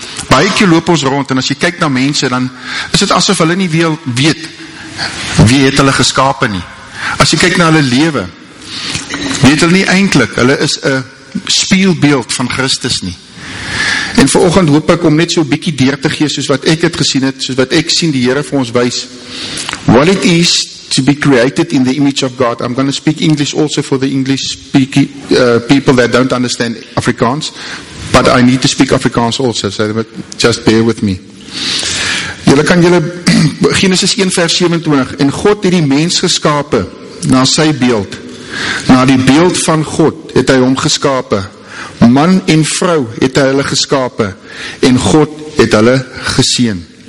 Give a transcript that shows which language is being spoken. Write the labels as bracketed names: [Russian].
[Afrikaans] Baie keer loop ons rond en as jy kyk na mense, dan is dit asof hulle nie weet wie het hulle geskape nie. As jy kyk na hulle lewe, weet hulle nie eintlik, hulle is 'n spieelbeeld van Christus nie. En vanoggend hoop ek om net so 'n bietjie deur te gee soos wat ek het gesien het, soos wat ek sien die Here vir ons wys. [English] What it is to be created in the image of God. I'm going to speak English also for the English speaking people that don't understand Afrikaans, but I need to speak Afrikaans also, so just bear with me. [Afrikaans] Julle kan julle Genesis 1 vers 27 en God het die mens geskape na sy beeld. Na die beeld van God het hy hom geskape. Man en vrou het hy hulle geskape en God het hulle geseën.